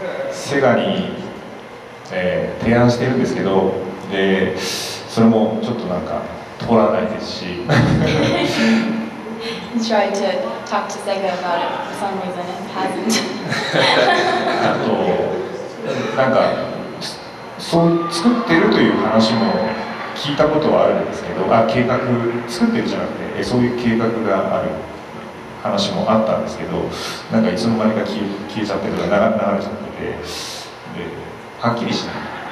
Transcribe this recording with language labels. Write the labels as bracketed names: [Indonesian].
[Japanese] セガに、提案してるんですけど、で、それもちょっとなんか通らないですし。 [English] Tried to talk to Sega about it for some reason and hasn't. [Japanese] あと、なんか、そう作ってるという話も聞いたことはあるんですけど、あ、計画作ってるじゃなくて、そういう計画がある話もあったんですけど、なんかいつの間にか消えちゃってるとか流れちゃってて、はっきりしない。